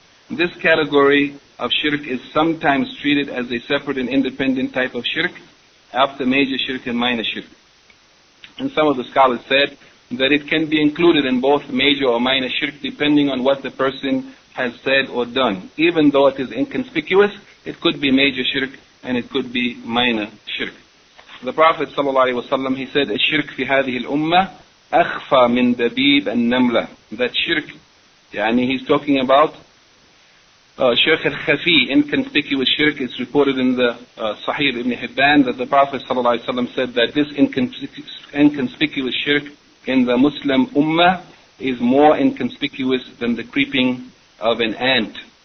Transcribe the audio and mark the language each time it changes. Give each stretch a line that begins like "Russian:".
English: This category of shirk is sometimes treated as a separate and independent type of shirk after major shirk and minor shirk. And some of the scholars said that it can be included in both major or minor shirk depending on what the person has said or done. Even though it is inconspicuous, it could be major shirk and it could be minor shirk. The Prophet ﷺ, he said,
Arabic: الشرك في هذه الأمة أخفى من دبيب النملة.
English: That shirk, يعني he's talking about shirk al-khafi, inconspicuous shirk. It's reported in the Sahih ibn Hibban that the Prophet ﷺ said that this inconspicuous shirk in the Muslim ummah is more inconspicuous than the creeping of an ant.